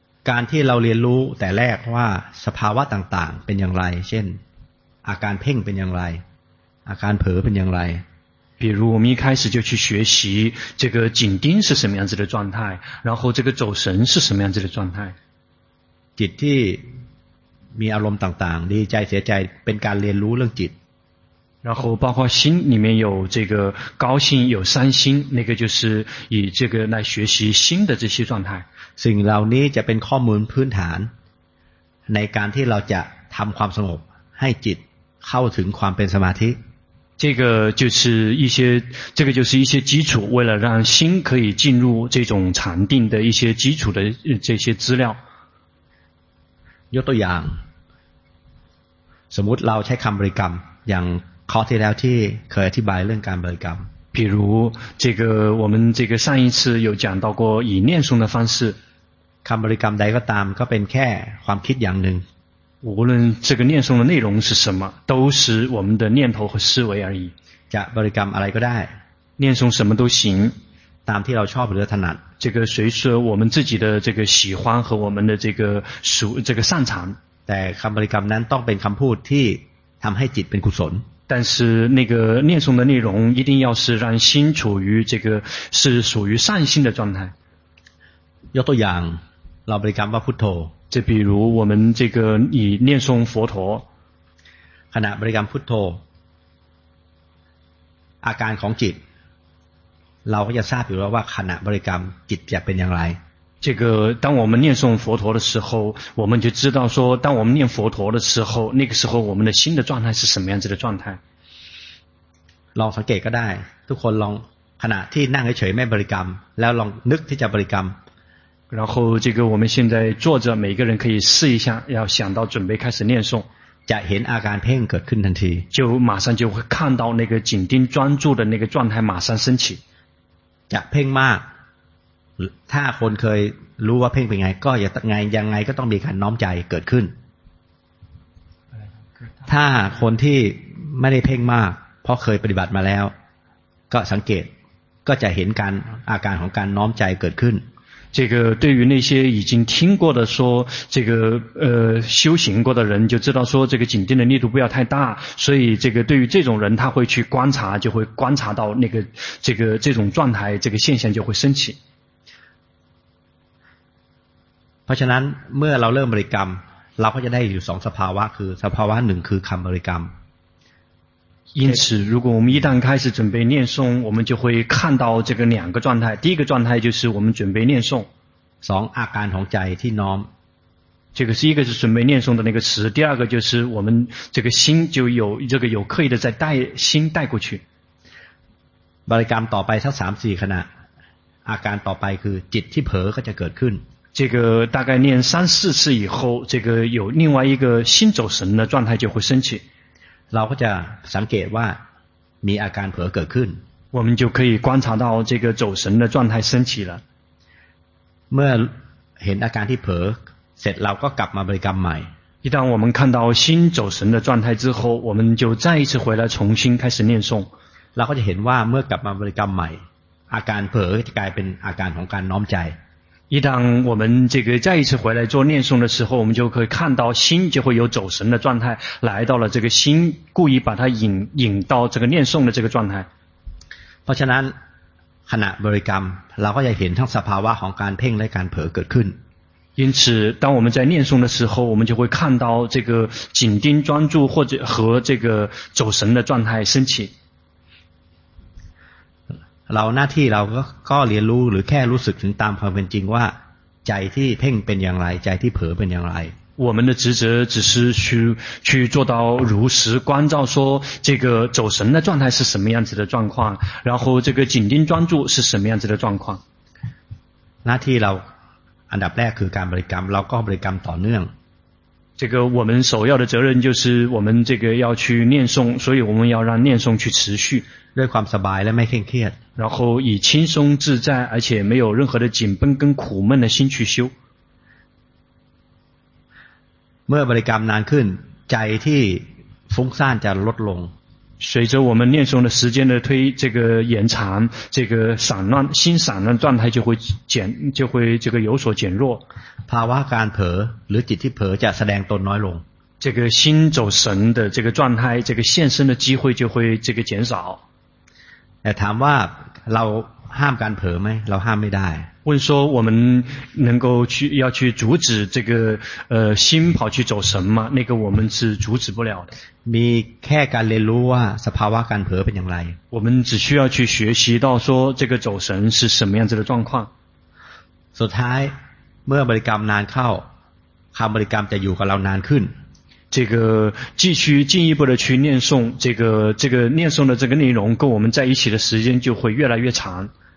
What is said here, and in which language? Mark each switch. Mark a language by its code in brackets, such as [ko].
[th] การที่เราเรียนรู้แต่แรกว่าสภาวะต่างๆเป็นอย่างไรเช่นอาการเพ่งเป็นอย่างไรอาการเผลอเป็นอย่างไร [zh] 比如我们一开始就去学习这个紧盯是什么样子的状态然后这个走神是什么样子的状态 [th] จิตที่มีอารมณ์ต่างๆดีใจเสียใจเป็นการเรียนรู้เรื่องจิต [zh] 然后包括心里面有这个高兴有伤心那个就是以这个来学习心的这些状态 [th] สิ่งเหล่านี้จะเป็นข้อมูลพื้นฐานในการที่เราจะทำความสงบ ให้จิตเข้าถึงความเป็นสมาธิ [zh] 这个就是一些这个就是一些基础为了让心可以进入这种禅定的一些基础的这些资料 [th] ยกตัวอย่างสมมุติเราใช้คำบริกรรมอย่างข้อที่แล้วที่เคยอธิบายเรื่องการบริกรรม [zh] 比如这个我们这个上一次有讲到过以念诵的方式 [th] คำบริกรรมใดก็ตามก็เป็นแค่ความคิดอย่างหนึ่ง [zh] 无论这个念诵的内容是什么都是我们的念头和思维而已 [th] จะบริกรรมอะไรก็ได้ [zh] 念诵什么都行 [th] ตามที่เราชอบหรือถนัด [zh] 这个随着我们自己的这个喜欢和我们的这个属这个擅长 [th] แต่คำบริกรรมนั้นต้องเป็นคำพูดที่ทำให้จิตเป็นกุศล [zh] 但是那个念诵的内容一定要是让心处于这个是属于善心的状态 [th] ยกตัวอย่างเราบริกรรมว่าพุทโธ [zh] 就比如我们这个以念诵佛陀 [th] ขณะบริกรรมพุทโธอาการของจิตเราก็จะทราบอยู่แล้วว่าขณะบริกรรมจิตจะเป็นอย่างไร [zh] 这个当我们念诵佛陀的时候我们就知道说当我们念佛陀的时候那个时候我们的心的状态是什么样子的状态 [th] ลองสังเกตก็ได้ทุกคนลองขณะที่นั่งเฉยไม่บริกรรมแล้วลองนึกที่จะบริกรรม [zh] 然后这个我们现在坐着每个人可以试一下要想到准备开始念诵 [th] จะเห็นอาการเพ่งเกิดขึ้นทันที [zh] 就马上就会看到那个紧盯专注的那个状态马上升起 [th] จะเพ่งมากถ้าคนเคยรู้ว่าเพ่งเป็นไงก็อย่างไรยังไงก็ต้องมีการน้อมใจเกิดขึ้นถ้าคนที่ไม่ได้เพ่งมากเพราะเคยปฏิบัติมาแล้วก็สังเกตก็จะเห็นการอาการของการน้อมใจเกิดขึ้น [zh] 这个对于那些已经听过的说这个修行过的人就知道说这个紧盯的力度不要太大所以这个对于这种人他会去观察就会观察到那个这个这种状态这个现象就会升起 [th] เพราะฉะนั้นเมื่อเราเริ่มบริกรรมเราก็จะได้อยู่สองสภาวะคือสภาวะหนึ่งคือคำบริกรรม [zh] 因此如果我们一旦开始准备念诵我们就会看到这个两个状态第一个状态就是我们准备念诵 [th] สองอาการของใจที่น้อม [zh] 这个是一个是准备念诵的那个词第二个就是我们这个心就有这个有刻意的在带心带过去 [th] บริกรรมต่อไปสัก 3-4 ขณะอาการต่อไปคือจิตที่เผลอก็จะเกิดขึ้น [zh] 这个大概念3-4次以后这个有另外一个心走神的状态就会升起 [th] เราก็จะสังเกตว่ามีอาการเผลอเกิดขึ้น [zh] 我们就可以观察到这个走神的状态升起了 [th] เมื่อเห็นอาการที่เผลอเสร็จเราก็กลับมาบริกรรมใหม่ [zh] 一旦我们看到心走神的状态之后我们就再一次回来重新开始念诵 [th] เราก็จะเห็นว่าเมื่อกลับมาบริกรรมใหม่อาการเผลอจะกลายเป็นอาการของการน้อมใจ [zh] 一旦我们这个再一次回来做念诵的时候，我们就可以看到心就会有走神的状态，来到了这个心故意把它引到这个念诵的这个状态。 [th] เพราะฉะนั้นขณะบริกรรมเราก็จะเห็นทั้งสภาวะของการเพ่งและการเผลอเกิดขึ้น。 [zh] 因此，当我们在念诵的时候，我们就会看到这个紧盯专注或者和这个走神的状态升起。 [th] เราหน้าที่เราก็เรียนรู้หรือแค่รู้สึกถึงตามความเป็นจริงว่าใจที่เพ่งเป็นอย่างไรใจที่เผลอเป็นอย่างไร [zh] 我们的职责只是去做到如实关照说这个走神的状态是什么样子的状况然后这个紧盯专注是什么样子的状况 [th] หน้าที่เราอันดับแรกคือการบริกรรมเราก็บริกรรมต่อเนื่อง [zh] 这个我们首要的责任就是我们这个要去念诵所以我们要让念诵去持续 [th] ด้วยความสบายและไม่เคร่งเครียด [zh] 然后以轻松自在而且没有任何的紧绷跟苦闷的心去修 [th] เมื่อบริกรรมนานขึ้นใจที่ฟุ้งซ่านจะลดลง [zh] 随着我们念诵的时间的推这个延长这个散乱心散乱状态就会这个有所减弱 [th] ภาวะการเผลอหรือจิตที่เผลอจะแสดงตนน้อยลง [zh] 这个心走神的这个状态这个现身的机会就会这个减少 [th] แต่ถามว่าเราห้ามการเผลอไหมเราห้ามไม่ได้ [zh] 问说我们能够去要去阻止这个心跑去走神吗那个我们是阻止不了的 [th] มีแค่การเรียนรู้ว่าสภาวะการเผลอเป็นอย่างไร [zh] 我们只需要去学习到说这个走神是什么样子的状况 [th] สุดท้ายเมื่อบริกรรมนานเข้าคำบริกรรมจะอยู่กับเรานานขึ้น [zh] 这个继续进一步的去念诵这个念诵的这个内容跟我们在一起的时间就会越来越长。